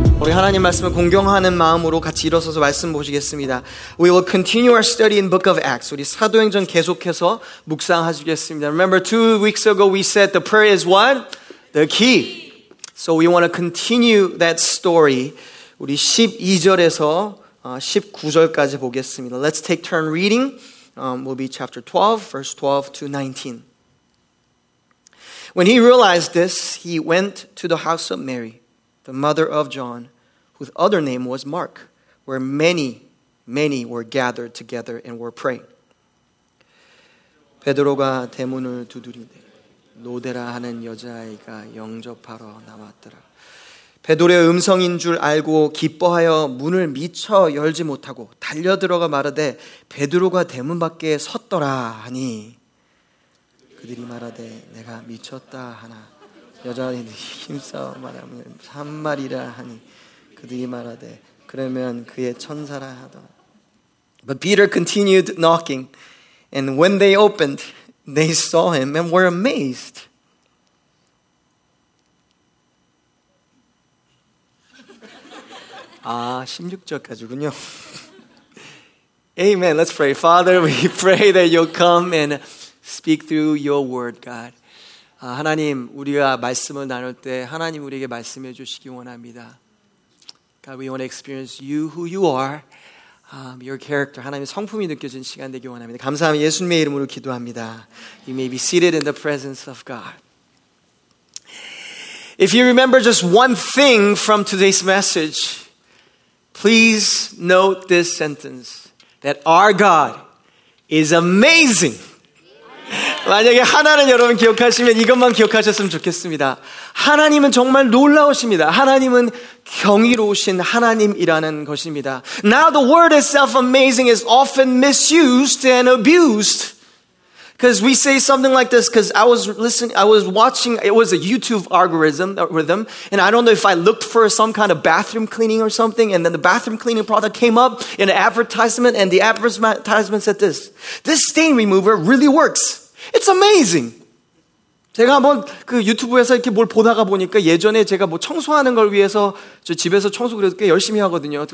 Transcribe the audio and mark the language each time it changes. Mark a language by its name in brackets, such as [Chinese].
[Korean] 하나님 말씀을 공경하는 마음으로 같이 일어서서 말씀 보시겠습니다. [English] We will continue our study in Book of Acts. [Korean] 우리 사도행전 계속해서 묵상하시겠습니다. [English] Remember, two weeks ago we said the prayer is what? The key. So we want to continue that story. [Korean] 우리 12절에서 19절까지 보겠습니다. [English] Let's take turn reading. We'll be chapter 12, verse 12 to 19. When he realized this, he went to the house of Mary, the mother of John, whose other name was Mark, where many, many were gathered together and were praying. [Korean] 베드로가 대문을 두드리되 로데라 하는 여자아이가 영접하러 나왔더라. 베드로의 음성인 줄 알고 기뻐하여 문을 미처 열지 못하고 달려들어가 말하되 베드로가 대문 밖에 섰더라 하니 그들이 말하되 내가 미쳤다 하나 여자아이는 힘써 말하며 산말이라 하니 그들이 말하되 그러면 그의 천사라 하더라. [English] But Peter continued knocking, and when they opened, they saw him and were amazed. [Korean] Ah, 16절까지군요. [English] Amen. Let's pray. Father, we pray that you'll come and speak through your word, God. [Korean] 하나님, 우리가 말씀을 나눌 때 하나님 우리에게 말씀해 주시기 원합니다. [English] God, we want to experience you, who you are. Your character, [Korean] 하나님의 성품이 느껴진 시간 되기 원합니다. 감사합니다. 예수님의 이름으로 기도합니다. [English] You may be seated in the presence of God. If you remember just one thing from today's message, please note this sentence, that our God is amazing. [Korean] 만약에 하나는 여러분 기억하시면 이것만 기억하셨으면 좋겠습니다. 하나님은 정말 놀라우십니다. 하나님은 경이로우신 하나님이라는 것입니다. [English] Now the word itself amazing is often misused and abused. Because we say something like this, because I was listening, I was watching, it was a YouTube algorithm, and I don't know if I looked for some kind of bathroom cleaning or something, and then the bathroom cleaning product came up in an advertisement, and the advertisement said this, this stain remover really works. It's amazing. [Korean] 제가 한번 그 유튜브에서 이렇게 뭘 보다가 보니까 예전에 제가 뭐 청소하는 걸 위해서 저 집에서 청소 그래도 꽤 열심히 하거든요.